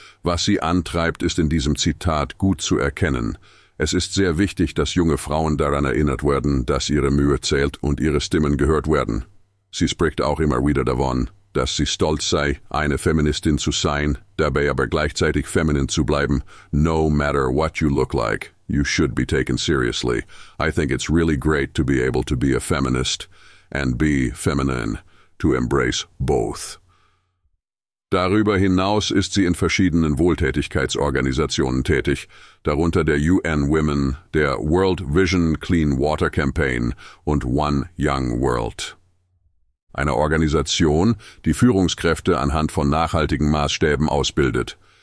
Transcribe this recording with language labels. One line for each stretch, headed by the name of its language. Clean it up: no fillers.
German: Was sie antreibt, ist in diesem Zitat gut zu erkennen. Es ist sehr wichtig, dass junge Frauen daran erinnert werden, dass ihre Mühe zählt und ihre Stimmen gehört werden. Sie spricht auch immer wieder davon, dass sie stolz sei, eine Feministin zu sein, dabei aber gleichzeitig feminin zu bleiben.
English: No matter what you look like, you should be taken seriously. I think it's really great to be able to be a feminist and be feminine, to embrace both.
German: Darüber hinaus ist sie in verschiedenen Wohltätigkeitsorganisationen tätig, darunter der UN Women, der World Vision Clean Water Campaign und One Young World. Eine Organisation, die Führungskräfte anhand von nachhaltigen Maßstäben ausbildet.